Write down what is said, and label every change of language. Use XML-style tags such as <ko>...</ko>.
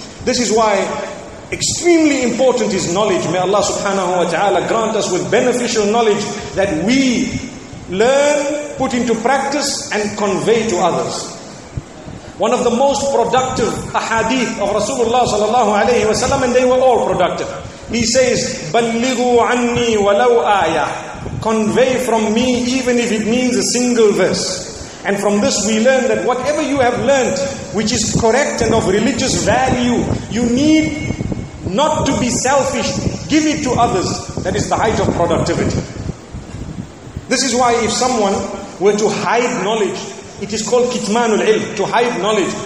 <en>This is why extremely important is knowledge. May Allah subhanahu wa ta'ala grant us with beneficial knowledge that we learn, put into practice, and convey to others. One of the most productive ahadith of Rasulullah sallallahu alayhi wa sallam, and they were all productive. He says,</en> <ar>بَلِّغُوا عَنِّي وَلَوْ آيَةً.</ar> <en>Convey from me even if it means a single verse. And from this we learn that whatever you have learned, which is correct and of religious value, you need not to be selfish. Give it to others. That is the height of productivity. This is why if someone were to hide knowledge, it is called kitmanul ilm, to hide knowledge.</en>